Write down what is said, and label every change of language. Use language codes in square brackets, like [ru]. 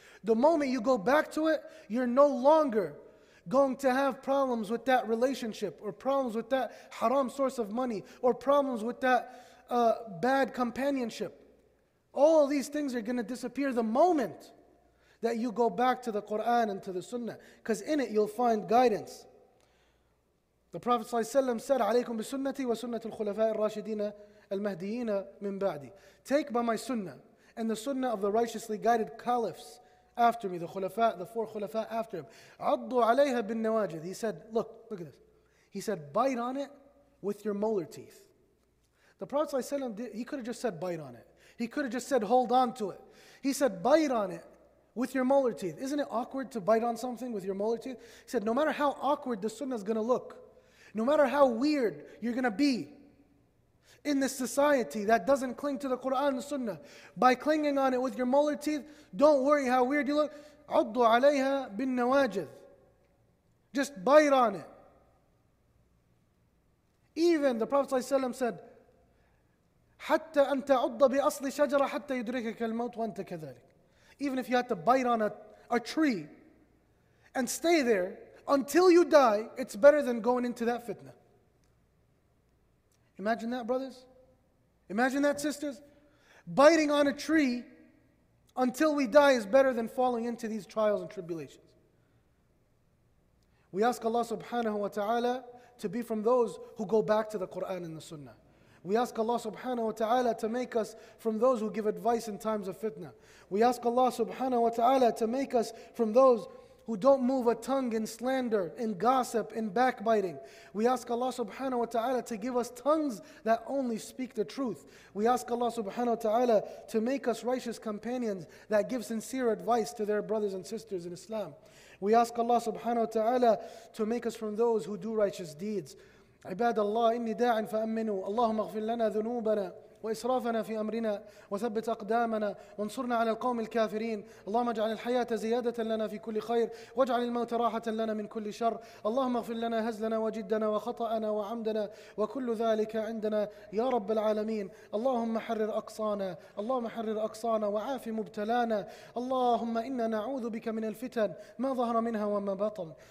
[en] The moment you go back to it, you're no longer going to have problems with that relationship or problems with that haram source of money or problems with that bad companionship. All these things are going to disappear the moment that you go back to the Qur'an and to the sunnah. Because in it you'll find guidance. The Prophet ﷺ said, [ar] عَلَيْكُمْ بِسُنَّتِي وَسُنَّةِ الْخُلَفَاءِ الرَّاشِدِينَ الْمَهْدِيِّينَ مِنْ بَعْدِي. [en] Take by my sunnah and the sunnah of the righteously guided caliphs after me, the khulafa, the four khulafa after him. [ar] عَضُّ عَلَيْهَا بِالنَّوَاجِدِ. [en] He said, look at this. He said, bite on it with your molar teeth. The Prophet ﷺ, he could have just said, bite on it. He could have just said, hold on to it. He said, bite on it with your molar teeth. Isn't it awkward to bite on something with your molar teeth? He said, no matter how awkward the sunnah is going to look, no matter how weird you're going to be in this society that doesn't cling to the Qur'an and the sunnah, by clinging on it with your molar teeth, don't worry how weird you look. [ar] عُضُّ عَلَيْهَا بِالنَّوَاجِذ. [en] Just bite on it. Even the Prophet ﷺ said, [ar] حَتَّى أَنْ تَعُضَّ بِأَصْلِ شَجَرَ حَتَّى يُدْرِكَكَ الْمَوْتُ وَأَنْتَ كَذَلِكَ. [en] Even if you had to bite on a tree and stay there until you die, it's better than going into that fitna. Imagine that, brothers. Imagine that, sisters. Biting on a tree until we die is better than falling into these trials and tribulations. We ask Allah subhanahu wa ta'ala to be from those who go back to the Qur'an and the sunnah. We ask Allah subhanahu wa ta'ala to make us from those who give advice in times of fitna. We ask Allah subhanahu wa ta'ala to make us from those who don't move a tongue in slander, in gossip, in backbiting. We ask Allah subhanahu wa ta'ala to give us tongues that only speak the truth. We ask Allah subhanahu wa ta'ala to make us righteous companions that give sincere advice to their brothers and sisters in Islam. We ask Allah subhanahu wa ta'ala to make us from those who do righteous deeds. [ar] عباد الله إني داع فأمنوا اللهم اغفر لنا ذنوبنا وإسرافنا في أمرنا وثبت أقدامنا وانصرنا على القوم الكافرين اللهم اجعل الحياة زيادة لنا في كل خير واجعل الموت راحة لنا من كل شر اللهم اغفر لنا هزلنا وجدنا وخطأنا وعمدنا وكل ذلك عندنا يا رب العالمين اللهم حرر أقصانا اللهم حرر أقصانا وعاف مبتلانا اللهم إنا نعوذ بك من الفتن ما ظهر منها وما بطن